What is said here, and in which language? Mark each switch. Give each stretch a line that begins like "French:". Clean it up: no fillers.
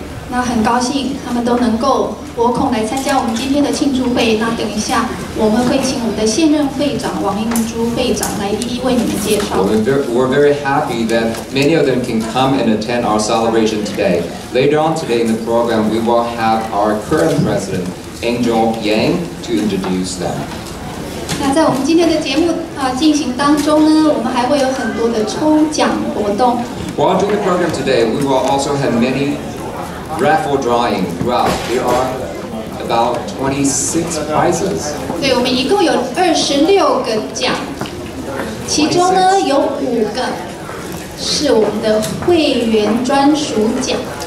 Chinese: 那很高兴他们都能够拨空来参加我们今天的庆祝会。那等一下我们会请我们的现任会长王英珠会长来一一为你们介绍。
English: We're very happy that many of them can come and attend our celebration today. Later on today in the program, we will have our current president, Angel Yang, to introduce them.
Chinese: 那在我们今天的节目进行当中呢，我们还会有很多的抽奖活动。
English: While doing the program today, we will also have many raffle drawings throughout. There are about 26 prizes.
Chinese: 对，我们一共有26个奖，其中呢有5个是我们的会员专属奖。